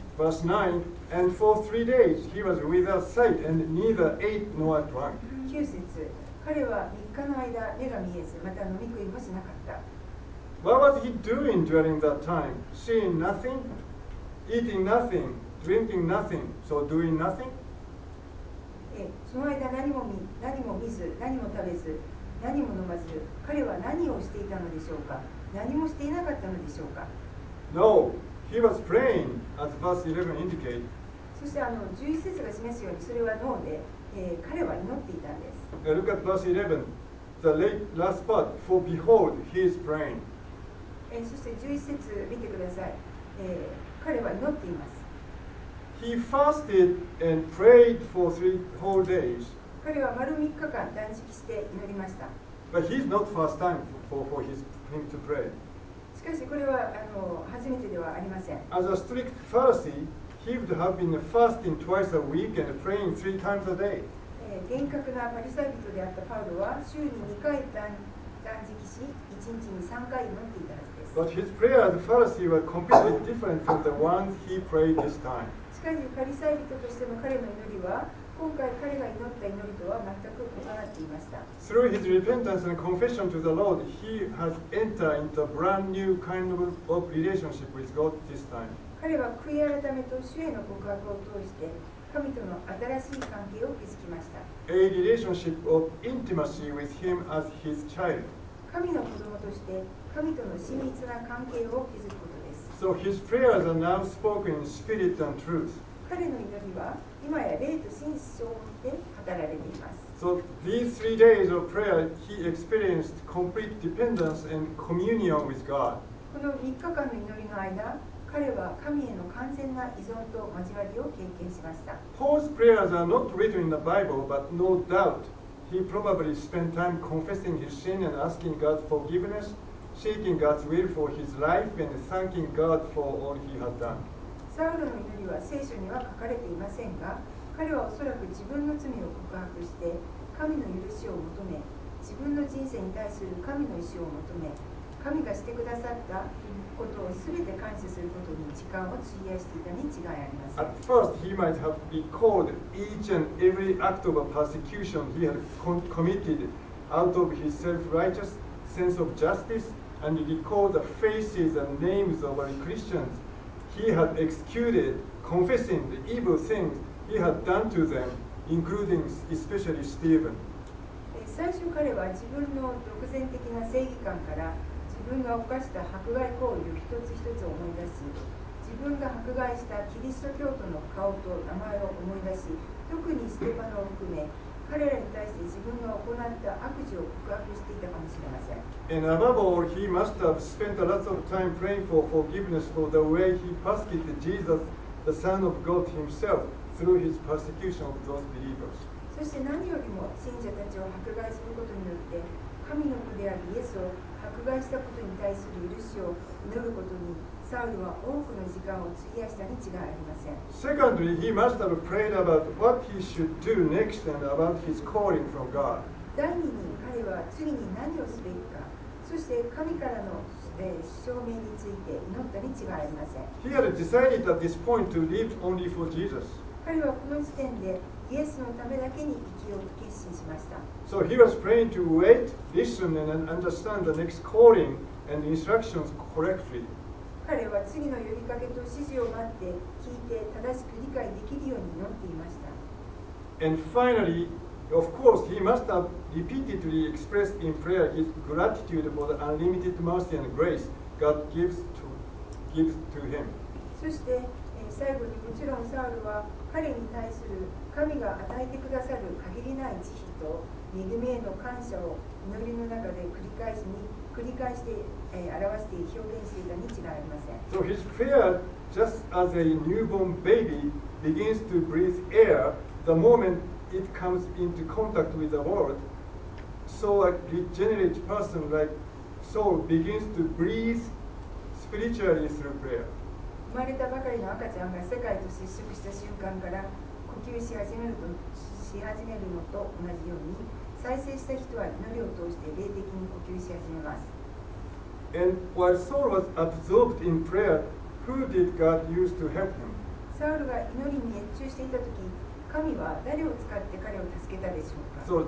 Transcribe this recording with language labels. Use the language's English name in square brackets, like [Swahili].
[English] Verse 9, and for 3 days he was without sight and neither ate nor drank. [Japanese] 9節、彼は3日の間目が見えず、また飲み食いもしなかった。 [English] What was he doing during that time? Seeing nothing, eating nothing, drinking nothing, so doing nothing? [Japanese] その間何も見ず、何も食べず、何も飲まず、彼は何をしていたのでしょうか？何もしていなかったのでしょうか。 [English] No, he was praying, as verse 11 indicates. [Japanese] そして11節が示すようにそれは脳で、彼は祈っていたんです。 [English] Now、look at verse 11, the late last part. For behold, he is praying. [Japanese] そして11節見てください。彼は祈っています。 [English] He fasted and prayed for 3 whole days. [Japanese] 彼は丸3日間断食して祈りました。 [English] But he's not first time for his prayer. Him to pray. [Japanese] しかしこれは初めてではありません。 [English] As a strict Pharisee, he would have been fasting twice a week and praying 3 times a day. [Japanese] 厳格なパリサイ人であったパウロは週に2回断食し、1日に3回祈っていたはずです。 [English] But his prayer as a Pharisee was completely different from the ones he prayed this time. [Japanese] しかしパリサイ人としての彼の祈りは今回彼が祈った祈りとは全く異なっていました。 [English] Through his repentance and confession to the Lord, he has entered into a brand new kind of relationship with God this time. [Japanese] 彼は悔い改めと主への告白を通して神との新しい関係を築きました。 [English] A relationship of intimacy with him as his child. [Japanese] 神の子供として神との親密な関係を築くことです。 [English] So his prayers are now spoken in spirit and truth. [Japanese] 彼の祈りは今や霊と真実を持って語られています。 [English] So these 3 days of prayer, he experienced complete dependence and communion with God. [Japanese] この3日間の祈りの間、彼は神への完全な依存と交わりを経験しました。 [English] Paul's prayers are not written in the Bible, but no doubt he probably spent time confessing his sin and asking God's forgiveness, seeking God's will for his life, and thanking God for all he had done. [Japanese] サウルの祈りは聖書には書かれていませんが、彼はおそらく自分の罪を告白して、神の許しを求め、自分の人生に対する神の意思を求め、神がしてくださったことをすべて感謝することに時間を費やしていたに違いありません。 [English] At first, he might have recalled each and every act of persecution he had committed out of his self-righteous sense of justice and recalled the faces and names of our Christians he had executed, confessing the evil things he had done to them, including especially Stephen. [Japanese] 最初彼は自分の独善的な正義感から自分が犯した迫害行為を一つ一つ思い出し、自分が迫害したキリスト教徒の顔と名前を思い出し、特にステファノを含め彼らに対して自分が行った悪事を告白していたかもしれません。 [English] And above all, he must have spent a lot of time praying for forgiveness for the way he persecuted Jesus, the Son of God himself, through his persecution of those believers. [Japanese] そして何よりも信者たちを迫害することによって神の子であるイエスを迫害したことに対する許しを祈ることにサウルは多くの時間を費やしたに違いありません。 [English] Secondly, he must have prayed about what he should do next and about his calling from God. [Japanese] 第二に彼は次に何をすべきか、そして神からの召命について祈ったに違いありません。 [English] He had decided at this point to live only for Jesus. [Japanese] 彼はこの時点でイエスのためだけに生きようと決心しました。 [English] So he was praying to wait, listen, and understand the next calling and instructions correctly. [Japanese] 彼は次の呼びかけと指示を待って、聞いて正しく理解できるように祈っていました。 [English] And finally, of course, he must have repeatedly expressed in prayer his gratitude for the unlimited mercy and grace God gives to him. [Japanese] そして最後にもちろんサウルは彼に対する神が与えてくださる限りない慈悲と恵みへの感謝を祈りの中で繰り返して表して表現していたに違いありません。 [English] So his prayer, just as a newborn baby begins to breathe air the moment it comes into contact with the world, so a regenerate person like Saul begins to breathe spiritually through prayer. [Japanese] 生まれたばかりの赤ちゃんが世界と接触した瞬間から呼吸し始めるとし始めるのと同じように、再生した人は祈りを通して霊的に呼吸し始めます。 [English] And while Saul was absorbed in prayer, who did God use to help him? [Japanese] サウルが祈りに熱中していた時、神は誰を使って彼を助けたでしょうか。